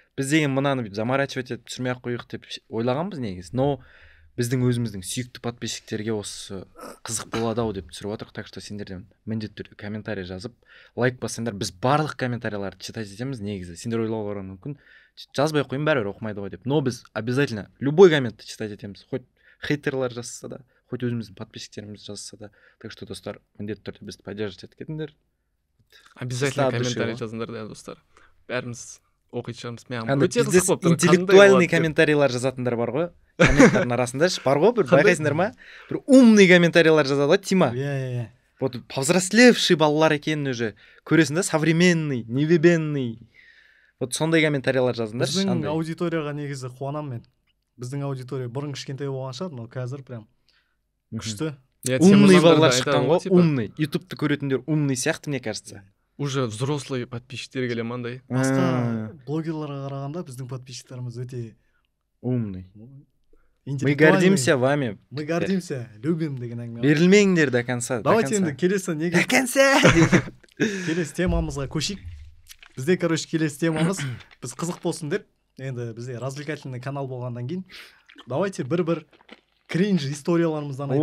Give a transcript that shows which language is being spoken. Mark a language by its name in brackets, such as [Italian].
[Kazakh] Біз деген мынаны замарачивать етіп түсірмей ақ қойық деп ойлағанбыз негізі. Но біздің өзіміздің сүйікті подписчиктерге осы қызық болады ау деп түсіріп отырық. Так что сендерден міндетті түрде комментарий жазып, лайк бассаңдар, біз барлық комментарийларды читать етеміз негізі. Сендер ойлауларың мүмкін. Жазбай қойын, бәрібір оқымайды ғой деп. Но біз обязательно любой комментті читать етеміз. [Russian] Хоть хейтерлер [Kazakh] жазса да, [Russian] хоть өзіміздің [Kazakh] подписчиктеріміз жазса да. Так что, достар, міндетті түрде бізді поддержать етіп кетіңдер. Обязательно комментарий жазыңдар, да, достар. Бәріміз оқитын шығармыз. Мен өте қызық болып тұр. Интеллектуальный комментарийлер жазатындар бар ғой. Комментарийдің арасындашы бар ғой, бір байқайсыңдар ма? Бір умный комментарийлер жазады ғой, Тима. Иә, иә, иә. [Russian] Вот повзрослевший [Kazakh] балалар екенін уже көресің да, современный, невебенный. Вот сондай комментарийлер жазыңдар. Біздің аудиторияға негізі қуанамын мен. Біздің аудитория бұрын кішкентай болған шығар, но қазір прям күшті. Умный балалар шыққан ғой, умный. YouTube-ты көретіндер умный сияқты, [Russian] мне кажется. Уже взрослые [Kazakh] подписчиктер келе мандай. Басқа блогерларға қарағанда біздің подписчиктеріміз өте [Russian] умный. Мы гордимся вами. Мы гордимся, любим деген әңгіме. [Kazakh] Берілмеңдер [Russian] до конца. Давайте [Kazakh] енді келесі неге? [Russian] До конца. [Kazakh] Келесі темамызға көшейік. Бізде, короче, келесі темамыз біз қызық болсын деп, енді бізде развлекательный канал болғаннан кейін [Russian] давайте [Kazakh] бір-бір кринж историяларымыздан айтып